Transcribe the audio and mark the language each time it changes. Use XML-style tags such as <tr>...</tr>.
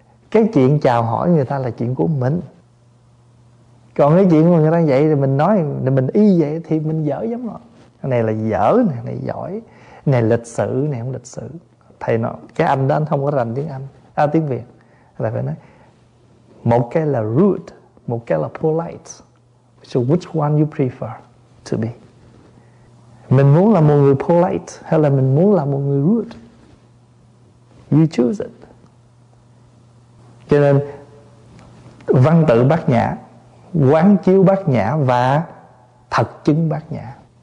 <vi>Cái chuyện chào hỏi người ta là chuyện của mình. Còn cái chuyện mà người ta vậy thì mình nói, thì mình y vậy thì mình dở giống họ. Này là dở, này giỏi, này lịch sự, này không lịch sự. Thầy nói, cái anh đó anh không có rành tiếng Anh, à tiếng Việt. Là phải nói, một cái là rude, một cái là polite.</vi> <en>So which one you prefer to be?</en> <vi>Mình muốn là một người polite hay là mình muốn là một người rude?</vi> <en>You choose it.</en> <vi>Cho nên văn tự Bát Nhã, quán chiếu Bát Nhã và thật chứng Bát Nhã.</vi>